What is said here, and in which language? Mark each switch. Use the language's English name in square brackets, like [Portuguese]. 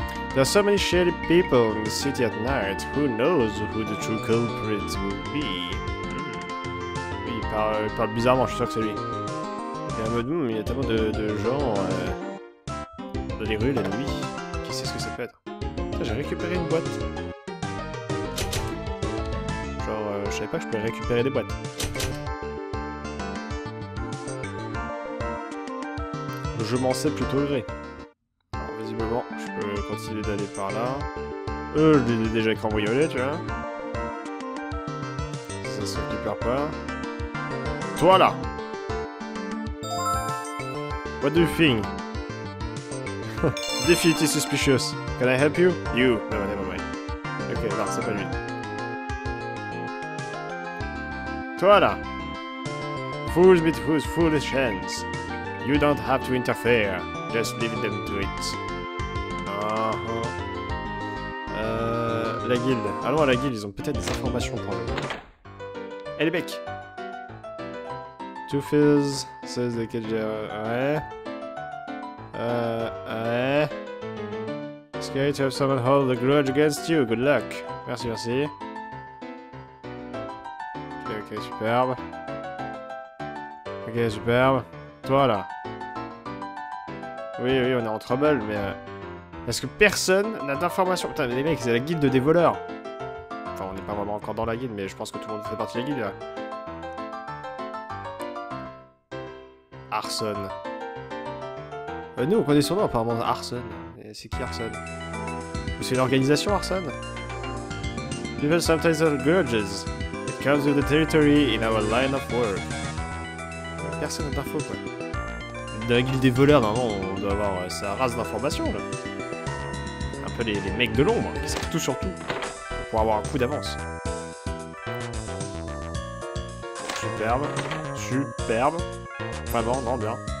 [English] There are so many shady people in the city at night. Who knows who the true culprit would be? [French] Oui, il parle bizarrement, je suis sûr que c'est lui. Il y a un mode, il y a tellement de gens dans les rues la nuit. Qui sait ce que ça peut être? Putain, j'ai récupéré une boîte. Genre, je savais pas que je pouvais récupérer des boîtes. Je m'en sais plutôt gré. Alors, visiblement, je peux continuer d'aller par là. Je l'ai déjà cambriolé, tu vois. Ça se récupère pas. Toi là! [English] What do you think? Definitely suspicious. Can I help you? You. Non, never mind. [French] Ok, non, c'est pas lui. Toi là! [English] Fools meet fools, foolish hands. You don't have to interfere, just leave them to it. [French] La guilde. Allons à la guilde, ils ont peut-être des informations pour nous. Eh les becs! [English] Two fizz, says the cadger. [French] Ouais. [English] It's great to have someone hold the grudge against you, good luck. [French] Merci, merci. Ok, superbe. Ok, superbe. Toi là. Oui, oui, on est en trouble, mais... Est-ce que personne n'a d'informations? Putain, les mecs, c'est la guilde des voleurs. Enfin, on n'est pas vraiment encore dans la guilde, mais je pense que tout le monde fait partie de la guilde, là. Arson. Nous, on connaît son nom, apparemment, Arson. Et c'est qui, Arson? C'est l'organisation, Arson? [English] People sometimes have grudges. It comes with the territory in our line of work. [French] Personne n'a d'infos, quoi. De la guilde des voleurs, normalement, on doit avoir sa race d'informations, là. Un peu les mecs de l'ombre, qui savent tout sur tout, pour avoir un coup d'avance. Superbe. Superbe. Vraiment, non, bien.